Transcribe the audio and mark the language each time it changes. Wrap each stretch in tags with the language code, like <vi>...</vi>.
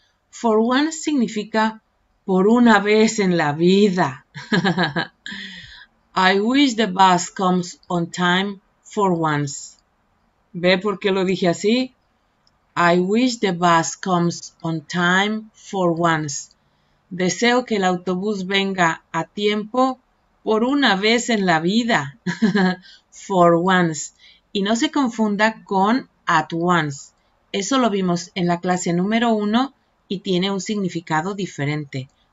<es>For once significa por una vez en la vida.</es> <en>I wish the bus comes on time for once.</en> <es>¿Ve por qué lo dije así?</es> <en>I wish the bus comes on time for once.</en> <es>Deseo que el autobús venga a tiempo por una vez en la vida. For once. Y no se confunda con at once. Eso lo vimos en la clase número 1 y tiene un significado diferente.</es>